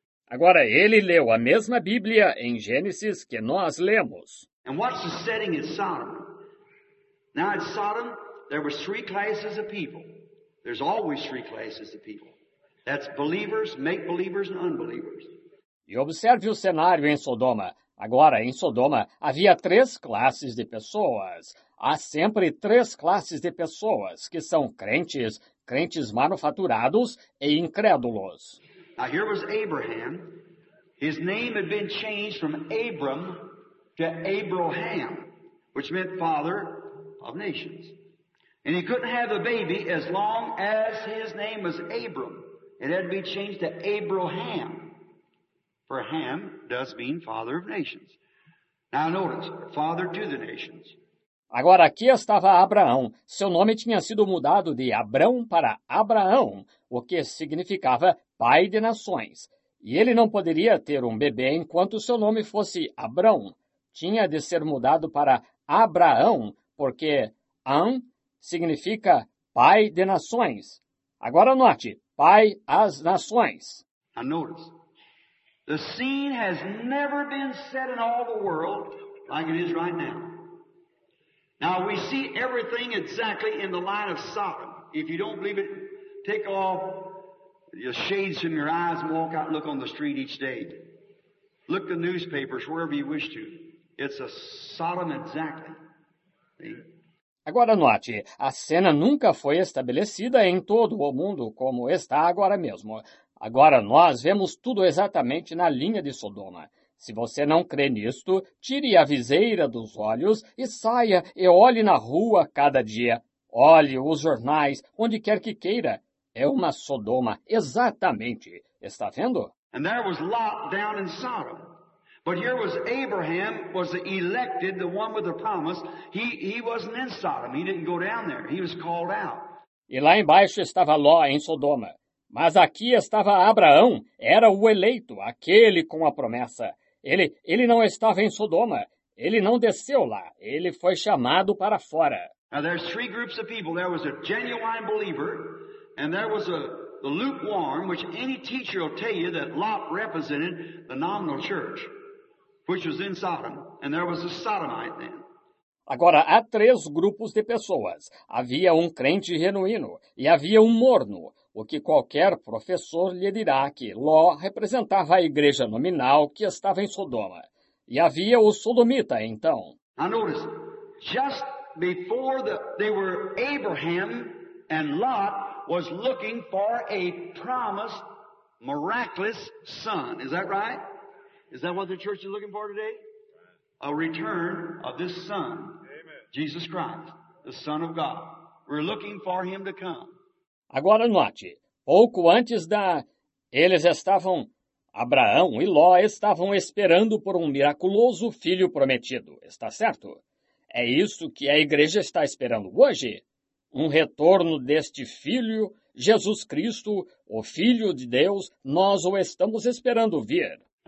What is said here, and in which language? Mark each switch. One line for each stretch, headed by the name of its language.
Portuguese: Agora, ele leu a mesma Bíblia em Gênesis que nós lemos. E qual é o setting em Sodom? Agora, em Sodom, havia três classes de pessoas. Há sempre três classes de pessoas.
English: That's believers, make-believers, and unbelievers.
Portuguese: E observe o cenário em Sodoma. Agora, em Sodoma, havia três classes de pessoas. Há sempre três classes de pessoas, que são crentes, crentes manufaturados e incrédulos.
English: Now, here was Abraham. His name had been changed from Abram to Abraham, which meant father of nations. And he couldn't have a baby as long as his name was Abram. It had to be changed to Abraham, for Ham does mean father of nations. Now notice, father to the nations.
Portuguese: Agora aqui estava Abraão. Seu nome tinha sido mudado de Abrão para Abraão, o que significava pai de nações. E ele não poderia ter um bebê enquanto seu nome fosse Abrão. Tinha de ser mudado para Abraão, porque An significa pai de nações. Agora note. Pai às nações.
English: Now notice, the scene has never been set in all the world like it is right now. Now we see everything exactly in the light of Sodom. If you don't believe it, take off your shades from your eyes and walk out and look on the street each day. Look the newspapers wherever you wish to. It's a Sodom exactly. See?
Portuguese: Agora note, a cena nunca foi estabelecida em todo o mundo como está agora mesmo. Agora nós vemos tudo exatamente na linha de Sodoma. Se você não crê nisto, tire a viseira dos olhos e saia e olhe na rua cada dia. Olhe os jornais, onde quer que queira. É uma Sodoma, exatamente. Está vendo?
English: And there was Lot down in Sodom. But here was Abraham, was the elected, the one with the promise. He wasn't in Sodom. He didn't go down there. He was called out.
Portuguese: E lá embaixo estava Ló em Sodoma. Mas aqui estava Abraão, era o eleito, aquele com a promessa. Ele não estava em Sodoma. Ele não desceu lá. Ele foi chamado para fora.
English: Now there's three groups of people. There was a genuine believer, and there was the lukewarm, which any teacher will tell you that Lot represented the nominal church. Which was in Sodom, and there was a Sodomite then.
Portuguese: Agora, há três grupos de pessoas. Havia um crente genuíno e havia um morno, o que qualquer professor lhe dirá que Ló representava a igreja nominal que estava em Sodoma. E havia o sodomita, então.
English: Now notice, just before they were Abraham and Lot was looking for a promised, miraculous son. Is that right? Is that what the church is looking for today? A return of this son, Amen. Jesus Christ, the Son of God. We're looking for him to come.
Portuguese: Agora note, pouco antes da... Eles estavam... Abraão e Ló estavam esperando por um miraculoso filho prometido, está certo? É isso que a igreja está esperando hoje? Um retorno deste filho, Jesus Cristo, o Filho de Deus, nós o estamos esperando vir.